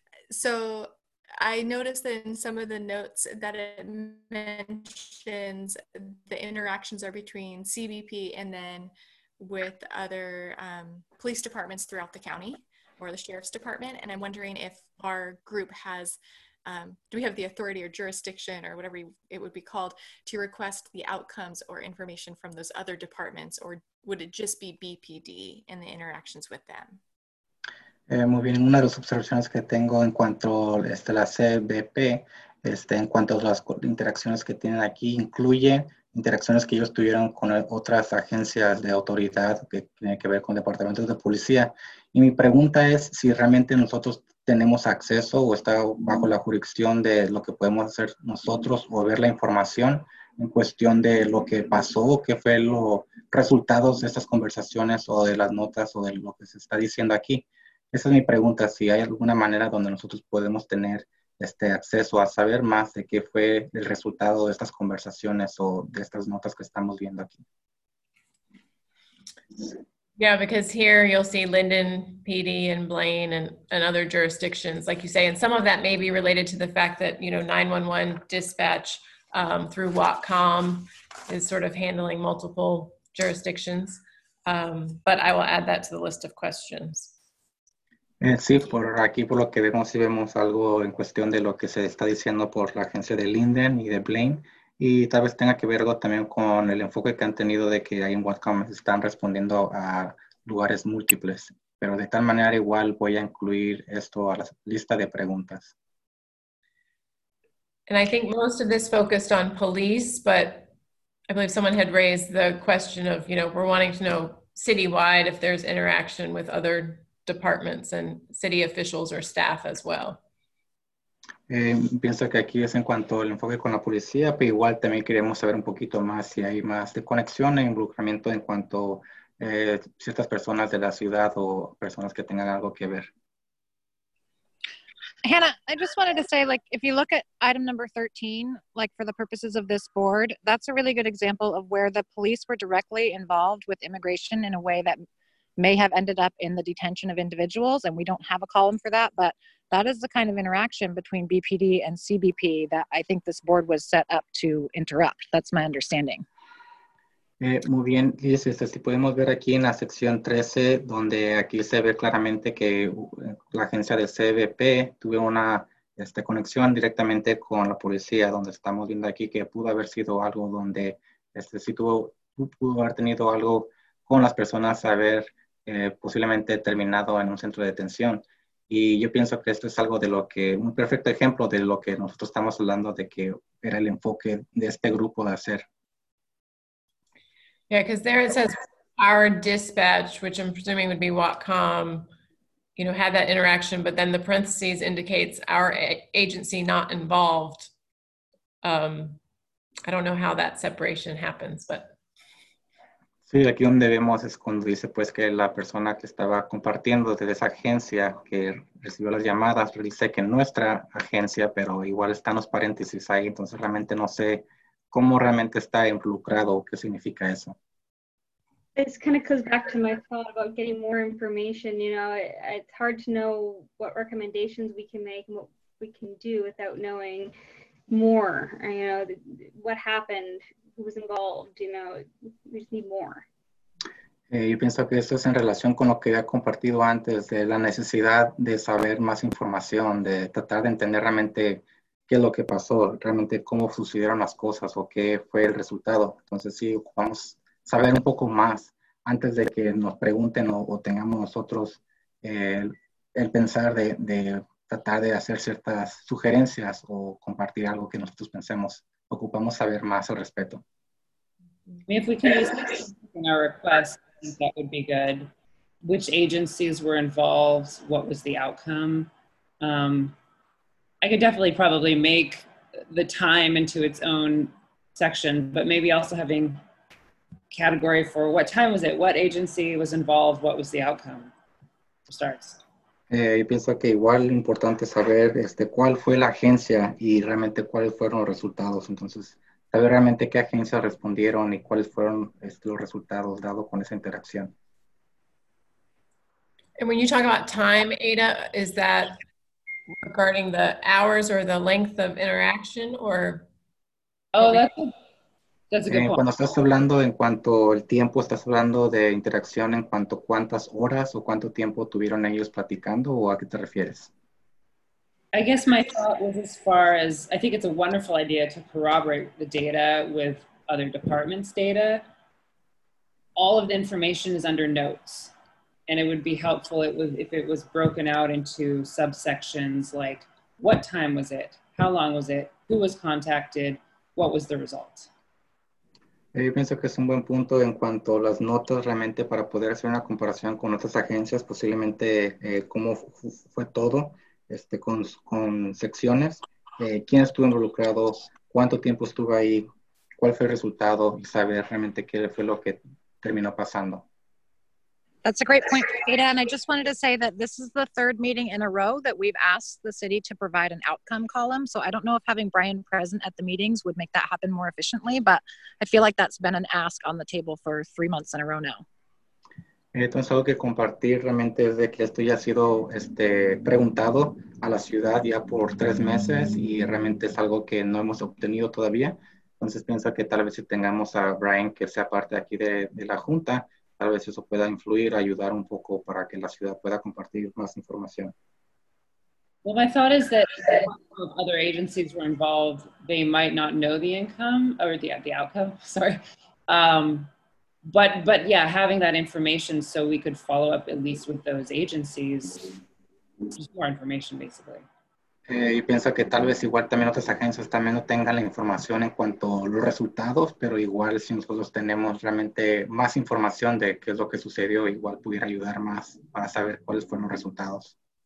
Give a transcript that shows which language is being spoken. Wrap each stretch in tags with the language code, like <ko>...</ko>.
<en>So I noticed in some of the notes that it mentions the interactions are between CBP and then with other police departments throughout the county or the sheriff's department. And I'm wondering if our group has, do we have the authority or jurisdiction or whatever it would be called to request the outcomes or information from those other departments, or would it just be BPD and the interactions with them?</en> <es>Muy bien, una de las observaciones que tengo en cuanto a la CBP, en cuanto a las interacciones que tienen aquí, incluye interacciones que ellos tuvieron con otras agencias de autoridad que tienen que ver con departamentos de policía. Y mi pregunta es si realmente nosotros tenemos acceso o está bajo la jurisdicción de lo que podemos hacer nosotros o ver la información en cuestión de lo que pasó, qué fue los resultados de estas conversaciones o de las notas o de lo que se está diciendo aquí. Esa es mi pregunta, si hay alguna manera donde nosotros podemos tener acceso a saber más de qué fue el resultado de estas conversaciones o de estas notas que estamos viendo aquí.</es> <en>Yeah, because here you'll see Linden PD and Blaine and other jurisdictions, like you say, and some of that may be related to the fact that, you know, 911 dispatch through WACOM is sort of handling multiple jurisdictions. But I will add that to the list of questions.</en> <es>Sí, por aquí por lo que vemos si vemos algo en cuestión de lo que se está diciendo por la agencia de Linden y de Blaine. Y tal vez tenga que ver algo también con el enfoque que han tenido de que ahí en WACOM están respondiendo a lugares múltiples. Pero de tal manera igual voy a incluir esto a la lista de preguntas.</es> <en>And I think most of this focused on police, but I believe someone had raised the question of, you know, we're wanting to know citywide if there's interaction with other departments and city officials or staff as well.</en> <es>Pienso que aquí es en cuanto al enfoque con la policía, pero igual también queremos saber un poquito más si hay más de conexión e involucramiento en cuanto ciertas personas de la ciudad o personas que tengan algo que ver.</es> <en>Hannah, I just wanted to say, like, if you look at item number 13, like, for the purposes of this board, that's a really good example of where the police were directly involved with immigration in a way that may have ended up in the detention of individuals, and we don't have a column for that, but that is the kind of interaction between BPD and CBP that I think this board was set up to interrupt. That's my understanding.</en> <es>Muy bien, dice, si podemos ver aquí en la sección 13, donde aquí se ve claramente que la agencia de CBP tuvo una conexión directamente con la policía, donde estamos viendo aquí que pudo haber sido algo donde, pudo haber tenido algo con las personas haber posiblemente terminado en un centro de detención. Y yo pienso que esto es algo de lo que, un perfecto ejemplo de lo que nosotros estamos hablando de que era el enfoque de este grupo de hacer.</es> <en>Yeah, because there it says our dispatch, which I'm presuming would be WACOM, you know, had that interaction, but then the parentheses indicates our agency not involved. I don't know how that separation happens, but.</en> <es>Sí, aquí donde vemos es cuando dice, pues, que la persona que estaba compartiendo de esa agencia que recibió las llamadas, dice que nuestra agencia, pero igual están los paréntesis ahí, entonces realmente no sé cómo realmente está involucrado, qué significa eso.</es> <en>This kind of goes back to my thought about getting more information. You know, it's hard to know what recommendations we can make and what we can do without knowing more. You know, what happened, who was involved, you know, we just need more.</en> <es>Yo pienso que esto es en relación con lo que había compartido antes de la necesidad de saber más información, de tratar de entender realmente qué es lo que pasó, realmente cómo sucedieron las cosas o qué fue el resultado. Entonces, sí, vamos saber un poco más antes de que nos pregunten o tengamos nosotros el pensar de tratar de hacer ciertas sugerencias o compartir algo que nosotros pensemos. Ocupamos saber más al respecto.</es> <en>If we can use in our request, I think that would be good. Which agencies were involved? What was the outcome? I could definitely probably make the time into its own section, but maybe also having category for what time was it? What agency was involved? What was the outcome? Starts.</en> <es>Yo pienso que igual importante saber cuál fue la agencia y realmente cuáles fueron los resultados. Entonces, saber realmente qué agencias respondieron y cuáles fueron los resultados dado con esa interacción.</es> <en>And when you talk about time, Ada, is that regarding the hours or the length of interaction or? Oh, that's a good one.</en> <es>Cuando estás hablando en cuanto al tiempo, estás hablando de interacción en cuanto cuántas horas o cuánto tiempo tuvieron ellos platicando o a qué te refieres?</es> <en>I guess my thought was as far as, I think it's a wonderful idea to corroborate the data with other departments' data. All of the information is under notes. And it would be helpful if it was broken out into subsections like what time was it, how long was it, who was contacted, what was the result.</en> <es>Yo pienso que es un buen punto en cuanto a las notas realmente para poder hacer una comparación con otras agencias, posiblemente cómo fue todo, con secciones, quién estuvo involucrado, cuánto tiempo estuvo ahí, cuál fue el resultado y saber realmente qué fue lo que terminó pasando.</es> <en>That's a great point, Ada, and I just wanted to say that this is the third meeting in a row that we've asked the city to provide an outcome column, so I don't know if having Brian present at the meetings would make that happen more efficiently, but I feel like that's been an ask on the table for 3 months in a row now.</en> <es>Entonces, algo que compartir realmente es de que esto ya ha sido preguntado a la ciudad ya por 3 meses y realmente es algo que no hemos obtenido todavía. Entonces, pienso que tal vez si tengamos a Brian que sea parte de aquí de la Junta, tal vez eso pueda influir, ayudar un poco para que la ciudad pueda compartir más información.</es> <en>Well, my thought is that if other agencies were involved, they might not know the income or the outcome, sorry. But yeah, having that information so we could follow up at least with those agencies, just more information basically.</en> <es>Yo pienso que tal vez igual también otras agencias también no tengan la información en cuanto a los resultados, pero igual si nosotros tenemos realmente más información de qué es lo que sucedió, igual pudiera ayudar más para saber cuáles fueron los resultados.</es>